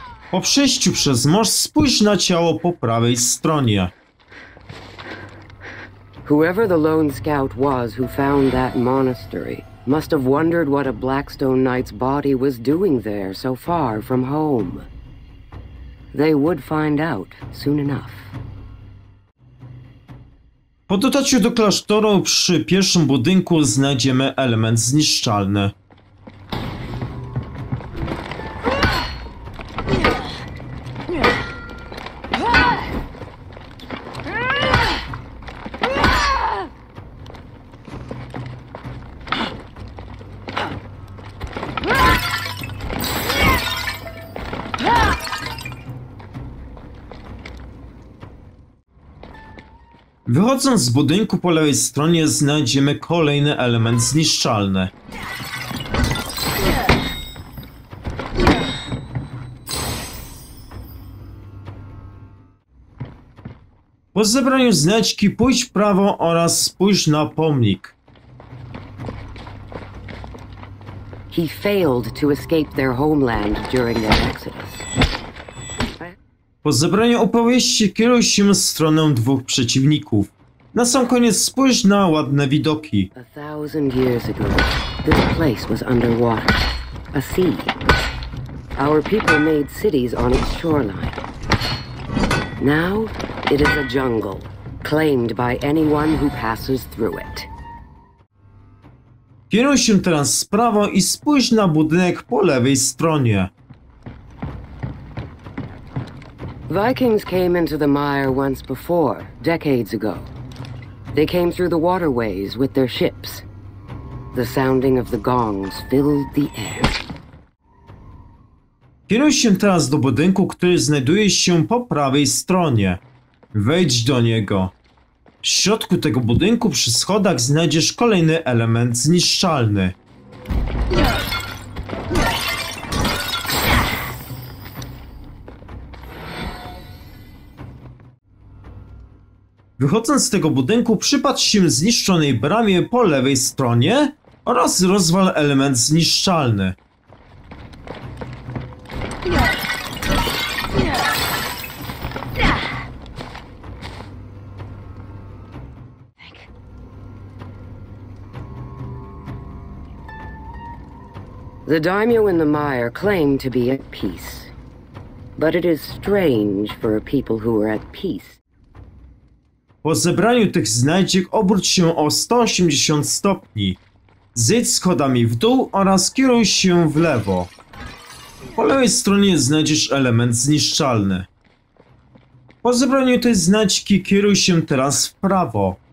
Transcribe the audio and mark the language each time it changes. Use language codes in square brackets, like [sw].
[pl] Po przejściu przez most spójrz na ciało po prawej stronie. [en] Whoever the lone scout was who found that monastery, must have wondered what a Blackstone Knight's body was doing there so far from home. They would find out soon enough. [pl] Po dotarciu do klasztoru przy pierwszym budynku znajdziemy element zniszczalny. Wychodząc z budynku po lewej stronie znajdziemy kolejny element zniszczalny. Po zebraniu znajdźki pójdź w prawo oraz spójrz na pomnik. [en] He failed to escape their homeland during their exodus. [pl] Po zebraniu opowieści kieruj się w stronę dwóch przeciwników. Na sam koniec spójrz na ładne widoki. [en] A thousand years ago, this place was under water. A sea. Our people made cities on its shoreline. Now, it is a jungle, claimed by anyone who passes through it. [pl] Kieruj się teraz w prawo i spójrz na budynek po lewej stronie. [en] Vikings came into the mire once before, decades ago. They came through the waterways with their ships. The sounding of the gongs filled the air. [pl] Kieruj się teraz do budynku, który znajduje się po prawej stronie. Wejdź do niego. W środku tego budynku przy schodach znajdziesz kolejny element zniszczalny. Wychodząc z tego budynku, przypatrz się zniszczonej bramie po lewej stronie oraz rozwal element zniszczalny. [en] The daimyo in the mire claimed to be at peace. But it is strange for a people who are at peace. [pl] Po zebraniu tych znajdziek obróć się o 180 stopni. Zejdź schodami w dół oraz kieruj się w lewo. Po lewej stronie znajdziesz element zniszczalny. Po zebraniu tej znajdźki kieruj się teraz w prawo.